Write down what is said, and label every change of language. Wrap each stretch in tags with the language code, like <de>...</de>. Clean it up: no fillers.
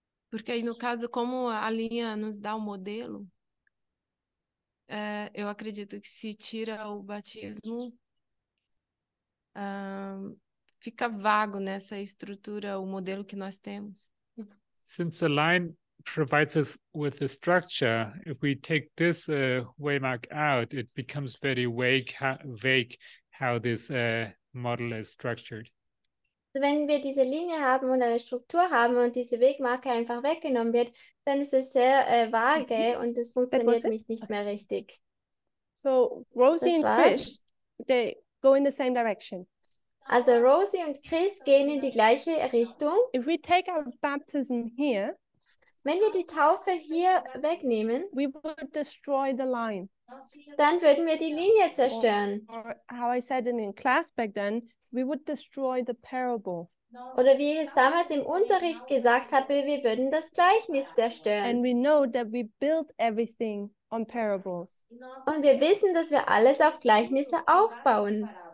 <pt>Porque aí no caso, como a linha nos dá o modelo, eu acredito que se tira o batismo, fica vago nessa estrutura, o modelo que nós temos.</pt> <en>Since the line provides us with the structure, if we take this waymark out, it becomes very vague how this model is structured.</en> <de>Wenn wir diese Linie haben und eine Struktur haben und diese Wegmarke einfach weggenommen wird, dann ist es sehr vage und es funktioniert mich nicht mehr richtig.</de> <en>So, Rosie und Chris, they go in the same direction.</en> <de>Also, Rosie und Chris gehen in die gleiche Richtung.</de> <en>If we take our baptism here,</en> <de>wenn wir die Taufe hier wegnehmen,</de> <en>we would destroy the line.</en> <de>Dann würden wir die Linie zerstören.</de> <en>Or how I said it in class back then, we would destroy the parable.</en> <de>Oder wie ich es damals im Unterricht gesagt habe, wir würden das Gleichnis zerstören.</de> <en>And we know that we build everything on parables.</en> <de>Und wir wissen, dass wir alles auf Gleichnisse aufbauen.</de>